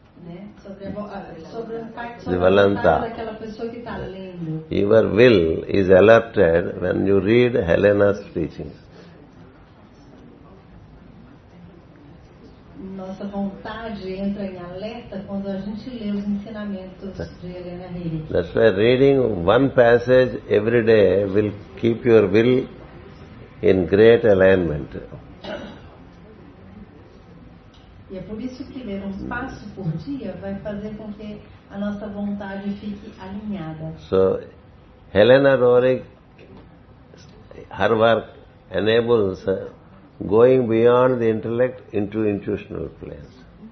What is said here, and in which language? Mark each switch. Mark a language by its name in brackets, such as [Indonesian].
[English] Your will is alerted when you read Helena's teachings. [Portuguese] Nossa vontade entra em alerta quando a gente lê os ensinamentos de Helena Rorick. [English] That's why reading one passage every day will keep your will in great alignment. [Portuguese] E é por isso que ler um passo por dia vai fazer com que a nossa vontade fique alinhada. [English] So, Helena Rorick, her work enables going beyond the intellect into intuitional planes.